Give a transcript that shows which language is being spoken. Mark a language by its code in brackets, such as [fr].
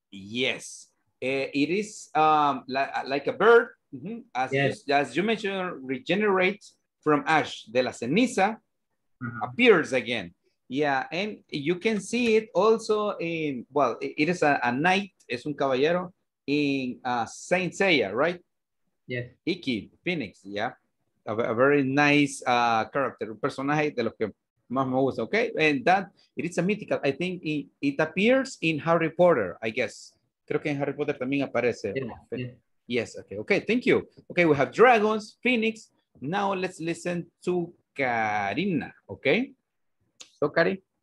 [en] Yes, it is like a bird, as you mentioned, regenerates from ash, [es] de la ceniza, [en] appears again. Yeah, and you can see it also in, well, it is a knight, [es] es un caballero, [en] in Saint Seiya, right? Yeah. Ikki, Phoenix, yeah. A very nice character, [es] un personaje de los que más me gusta, [en] okay? And that, it is a mythical, I think it appears in Harry Potter, I guess. [es] Creo que en Harry Potter también aparece. [en] Yeah. Yes, okay, thank you. Okay, we have dragons, Phoenix. Now let's listen to Karina, okay? So, Kari?